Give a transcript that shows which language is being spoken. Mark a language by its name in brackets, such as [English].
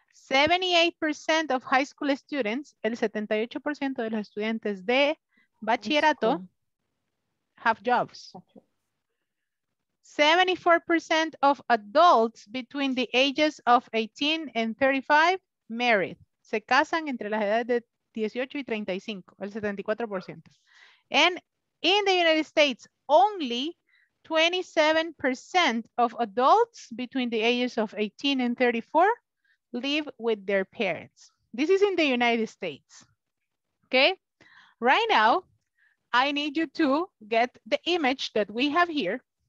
[English] 78% of high school students, [Spanish] el 78% de los estudiantes de bachillerato [English] have jobs. 74% of adults between the ages of 18 and 35 married. [Spanish] Se casan entre las edades de 18 y 35, el 74%. [English] And in the United States, only 27% of adults between the ages of 18 and 34 live with their parents. This is in the United States. Okay. Right now, I need you to get the image that we have here.